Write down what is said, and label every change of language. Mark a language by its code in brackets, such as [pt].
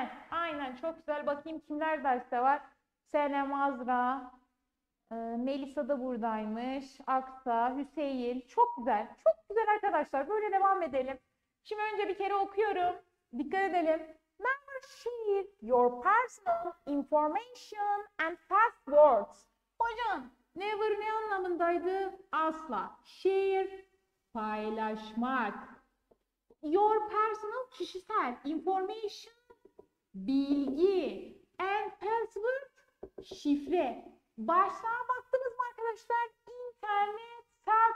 [tr] Aynen. Çok güzel. Bakayım kimler derste var. Senem, Azra, Melisa da buradaymış. Aksa, Hüseyin. Çok güzel. Çok güzel arkadaşlar. Böyle devam edelim. Şimdi önce bir kere okuyorum. Dikkat edelim. [en] Membership, your personal information and passwords. [tr] Hocam, never ne anlamındaydı? Asla. Share, paylaşmak. [en] Your personal, kişisel. Information, bilgi. And password, [tr] şifre. Başlığa baktınız mı arkadaşlar? İnternet, cell